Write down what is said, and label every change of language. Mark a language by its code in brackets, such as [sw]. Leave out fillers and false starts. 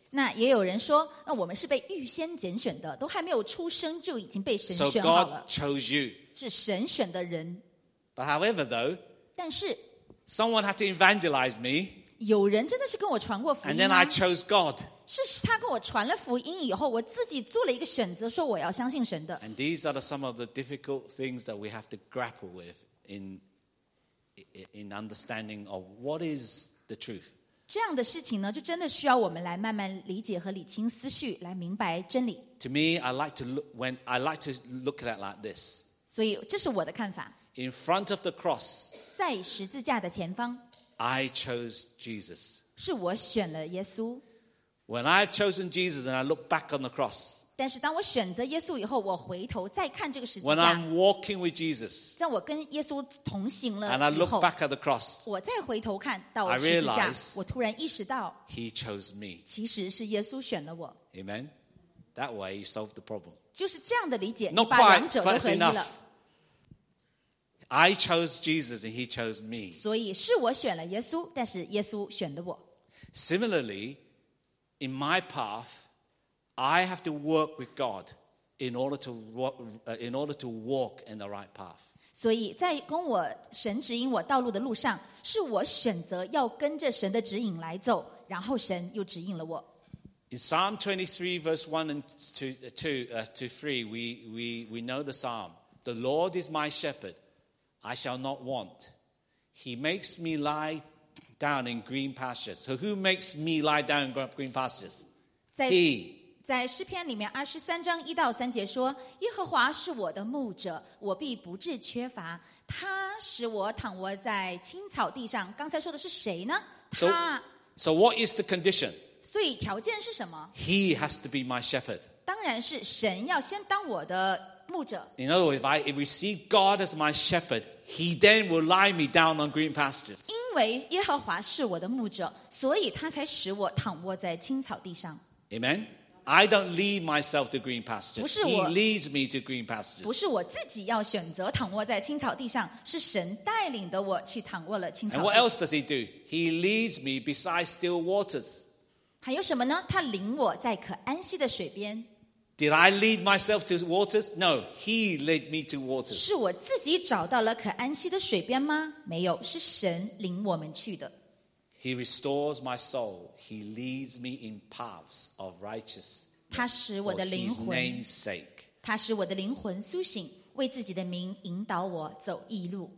[zh] 那也有人说，那我们是被预先拣选的，都还没有出生就已经被神选好了。 [en] So God chose you. [zh] 是神选的人。 [en] But however, though, [zh] 但是 [en] someone had to evangelize me. [zh] 有人真的是跟我传过福音吗？ [en] And then I chose God. [zh] 是他跟我传了福音以后，我自己做了一个选择，说我要相信神的。 [en] And these are some of the difficult things that we have to grapple with. In understanding of what is the truth. [zh] 这样的事情呢，就真的需要我们来慢慢理解和理清思绪，来明白真理。 [en] To me, I like to look at it like this. [zh] 所以这是我的看法。 [en] In front of the cross, [zh] 在十字架的前方 [en] ，I chose Jesus. [zh] 是我选了耶稣。 [en] When I've chosen Jesus and I look back on the cross. [zh] 但是当我选择耶稣以后，我回头再看这个十字架。 [en] When I'm walking with Jesus, [zh] 当我跟耶稣同行了以后 [en] ，and I look back at the cross, [zh] 我再回头看到十字架， [en] I realize, [zh] 我突然意识到 [en] ，He chose me. [zh] 其实是耶稣选了我。 [en] Amen. That way, He solved the problem. [zh] 就是这样的理解， [en] Not、 [zh] 你把两者都合一了。 [en] Quite, but enough. I chose Jesus, and He chose me. [zh] 所以是我选了耶稣，但是耶稣选了我。 [en] Similarly, in my path. I have to work with God in order to walk in the right path. [zh] 所以在跟我神指引我道路的路上，是我选择要跟着神的指引来走，然后神又指引了我。 [en] In Psalm 23, verse 1 and 2 to 3, we know the psalm. The Lord is my shepherd; I shall not want. He makes me lie down in green pastures. So who makes me lie down in green pastures? He. [zh] 在诗篇里面二十三章一到三节说：“耶和华是我的牧者，我必不致缺乏。他使我躺卧在青草地上。” 刚才说的是谁呢？他。 [en] So what is the condition? [zh] 所以条件是什么 [en] ？He has to be my shepherd. [zh] 当然是神要先当我的牧者。 [en] In other words, if I see God as my shepherd, He then will lie me down on green pastures. [zh] 因为耶和华是我的牧者，所以他才使我躺卧在青草地上。 [en] Amen. I don't lead myself to green pastures. He leads me to green pastures. [zh] 不是我自己要选择躺卧在青草地上，是神带领的我去躺卧了青草地。 [en] And what else does he do? He leads me beside still waters. [zh] 还有什么呢？他领我在可安息的水边。 [en] Did I lead myself to waters? No, he led me to waters. [zh] 是我自己找到了可安息的水边吗？没有，是神领我们去的。 [en] He restores my soul. He leads me in paths of righteousness for His name's sake. [zh] 他使我的灵魂苏醒，为自己的名引导我走义路。